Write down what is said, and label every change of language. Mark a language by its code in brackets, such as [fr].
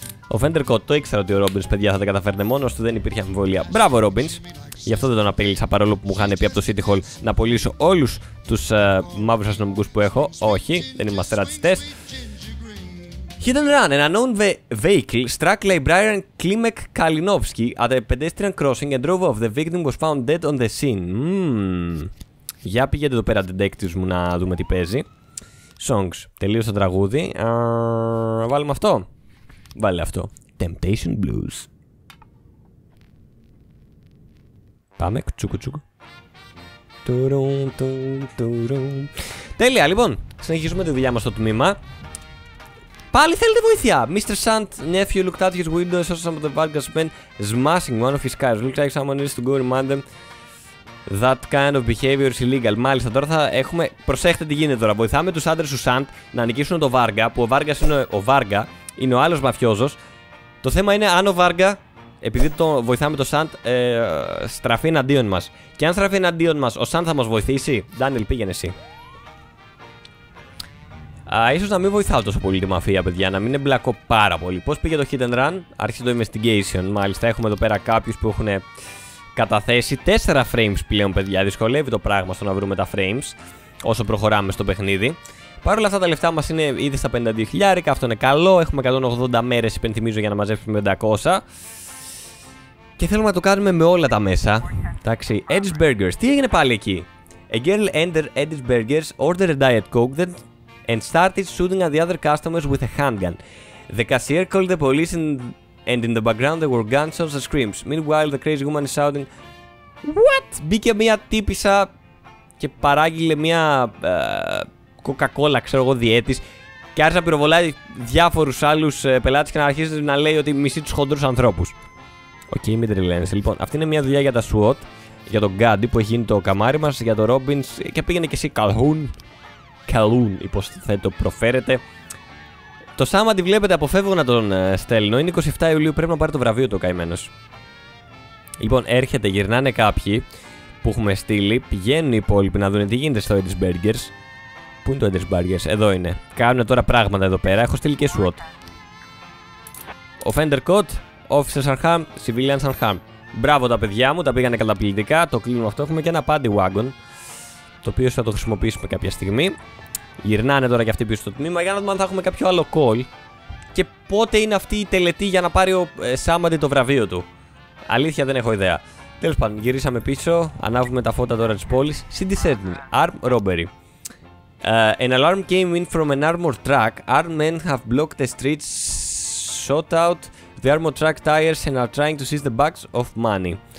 [el] Ο Φέντερ Κοτ, το ήξερα ότι ο Robbins, παιδιά, θα τα καταφέρνε μόνος του, δεν υπήρχε αμφιβολία. Μπράβο, Robbins. Γι' αυτό δεν τον απέλησα, παρόλο που μου είχαν πει από το City Hall να πωλήσω όλους τους μαύρους αστυνομικούς που έχω. Όχι, δεν είμαστε ρατσιστές. [en] Hit and run, an unknown vehicle struck librarian Klimek Kalinowski at a pedestrian crossing and drove off. The victim was found dead on the scene. [el] Για πήγαινε εδώ πέρα, detectives μου, να δούμε τι παίζει. Songs, τελείωσε το τραγούδι. Βάλουμε αυτό. Βάλε αυτό. Temptation Blues. Πάμε, τσούκου τσούκου. Τουρουν, τουρουν, τουρουν. Τέλεια, λοιπόν. Συνεχίζουμε τη δουλειά μας στο τμήμα. Πάλι θέλετε βοήθεια! Mr. [en] Sant, nephew looked out his window and saw some of the Vargas men smashing one of his cars. Looks like someone needs to go remind them that kind of behavior is illegal. [el] Μάλιστα, τώρα θα έχουμε. Προσέχετε τι γίνεται τώρα. Βοηθάμε τους άντρες του Sant να νικήσουν το Varga, που ο Vargas είναι ο Varga, είναι ο άλλος μαφιόζος. Το θέμα είναι αν ο Varga, επειδή το βοηθάμε το Sant, στραφεί εναντίον μας. Και αν στραφεί εναντίον μας, ο Sant θα μας βοηθήσει. Ντάνιελ, πήγαινε εσύ. Ίσως να μην βοηθάω τόσο πολύ τη μαφία, παιδιά, να μην εμπλακώ πάρα πολύ. Πώς πήγε το hit and run? Άρχισε το investigation. Μάλιστα, έχουμε εδώ πέρα κάποιους που έχουν καταθέσει 4 frames πλέον, παιδιά. Δυσκολεύει το πράγμα στο να βρούμε τα frames όσο προχωράμε στο παιχνίδι. Παρ' όλα αυτά, τα λεφτά μας είναι ήδη στα 52.000. Αυτό είναι καλό. Έχουμε 180 μέρες, υπενθυμίζω, για να μαζέψουμε 500. Και θέλουμε να το κάνουμε με όλα τα μέσα. Εντάξει, Edge Burgers. Τι έγινε πάλι εκεί? [en] A girl entered Edge Burgers, ordered a diet coke, then and started shooting at the other customers with a handgun. The cashier called the police and in the background there were gunshots and screams. Meanwhile, the crazy woman is shouting, what? [el] Μπήκε μια τύπισσα και παράγγειλε μια Coca-Cola, ξέρω εγώ, διέτης, και άρχισε να πυροβολάει διάφορους άλλους πελάτες και να αρχίσει να λέει ότι μισεί τους χοντρούς ανθρώπους. Οκ, μην τρελαίνεσαι. Λοιπόν, αυτή είναι μια δουλειά για τα SWAT, για τον Gandhi που έχει γίνει το καμάρι μας, για τον Robbins, και πήγαινε και εσύ Calhoun. Καλούν, υποθέτω, προφέρεται. Το Σάμα, τη βλέπετε, αποφεύγω να τον στέλνω. Είναι 27 Ιουλίου, πρέπει να πάρει το βραβείο του ο καημένος. Λοιπόν, έρχεται, γυρνάνε κάποιοι που έχουμε στείλει. Πηγαίνουν οι υπόλοιποι να δουν τι γίνεται στο Edge Burgers. Πού είναι το Edge Burgers? Εδώ είναι. Κάνουν τώρα πράγματα εδώ πέρα. Έχω στείλει και SWAT. [en] Offender caught, officers are harmed, civilians are harmed. [el] Μπράβο τα παιδιά μου, τα πήγανε καταπληκτικά. Το κλείνουμε αυτό. Έχουμε και ένα Paddy Wagon, το οποίο θα το χρησιμοποιήσουμε κάποια στιγμή. Γυρνάνε τώρα και αυτοί πίσω στο τμήμα για να δούμε αν θα έχουμε κάποιο άλλο call και πότε είναι αυτή η τελετή για να πάρει ο Σάμαντι το βραβείο του. Αλήθεια, δεν έχω ιδέα. Τέλος πάντων, γυρίσαμε πίσω, ανάβουμε τα φώτα τώρα της πόλης. [en] City Center, arm robbery. An alarm came in from an armored truck. Armed men have blocked the streets, shot out the armored truck tires and are trying to seize the bags of money.